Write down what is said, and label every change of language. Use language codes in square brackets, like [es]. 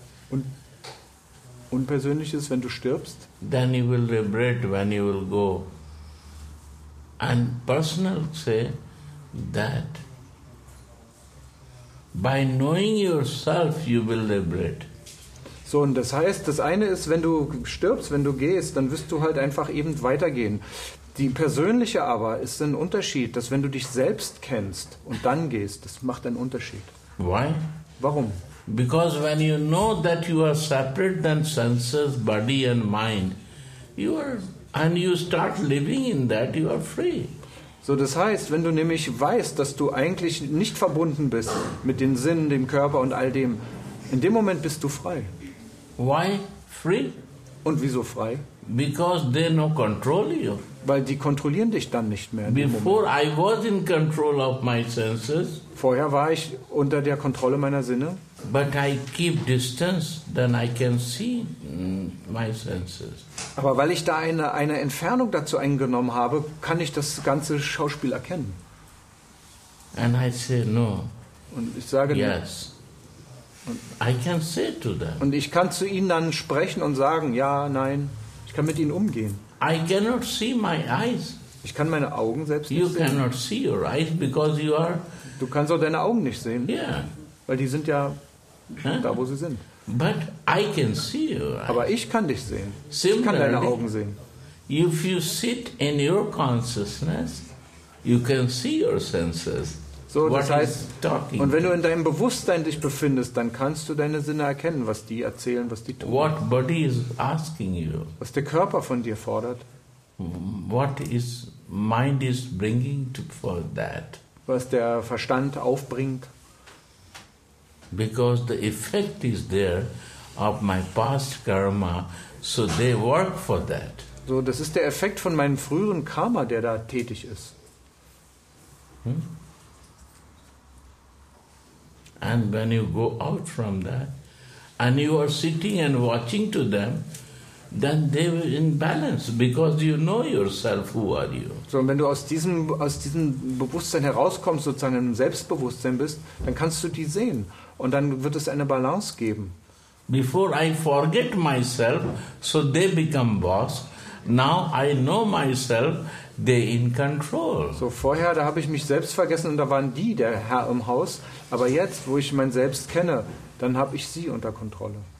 [de] Und unpersönliches, wenn du stirbst. [en] Then you will liberate when you will go. And personal say that by knowing yourself you will liberate. [de] So, und das heißt, das eine ist, wenn du stirbst, wenn du gehst, dann wirst du halt einfach eben weitergehen. Die persönliche aber ist ein Unterschied, dass wenn du dich selbst kennst und dann gehst, das macht einen Unterschied. [en] Why? [de] Warum? [en] Because when you know that you are separate than senses, body and mind, you are and you start living in that, you are free. [de] So, das heißt, wenn du nämlich weißt, dass du eigentlich nicht verbunden bist mit den Sinnen, dem Körper und all dem, in dem Moment bist du frei. [en] Why free? [de] Und wieso frei? [en] Because they no control you. [de] Weil die kontrollieren dich dann nicht mehr. [en] Before I was in control of my senses. [de] Vorher war ich unter der Kontrolle meiner Sinne. [en] But I keep distance, then I can see my senses. [de] Aber weil ich da eine Entfernung dazu eingenommen habe, kann ich das ganze Schauspiel erkennen. [en] And I say no. [de] Und ich sage [en] yes. I can say to them. [de] Und ich kann zu ihnen dann sprechen und sagen, ja, nein, ich kann mit ihnen umgehen. [en] I cannot see my eyes. [de] Ich kann meine Augen selbst nicht [en] you [de] sehen. [en] Cannot see your eyes because you are [de] du kannst auch deine Augen nicht sehen. [en] Yeah. [de] Weil die sind ja da, wo sie sind. [en] But I can see your eyes. [de] Aber ich kann dich sehen. [en] Similarly, [de] ich kann deine Augen sehen. [en] If you sit in your consciousness, you can see your senses. [de] So, das heißt, und wenn du in deinem Bewusstsein dich befindest, dann kannst du deine Sinne erkennen, was die erzählen, was die tun. [en] What body is asking you? [de] Was der Körper von dir fordert. [en] What is mind is bringing to for that? [de] Was der Verstand aufbringt. [en] Because the effect is there of my past karma, so they work for that. [de] So, das ist der Effekt von meinem früheren Karma, der da tätig ist. [en] And when you go out from that, and you are sitting and watching to them, then they are in balance because you know yourself. Who are you? [de] So, wenn du aus diesem Bewusstsein herauskommst, sozusagen im Selbstbewusstsein bist, dann kannst du die sehen und dann wird es eine Balance geben. [en] Before I forget myself, so they become boss. Now I know myself, they in control. [de] So vorher, da habe ich mich selbst vergessen und da waren die der Herr im Haus. Aber jetzt, wo ich mein Selbst kenne, dann habe ich sie unter Kontrolle.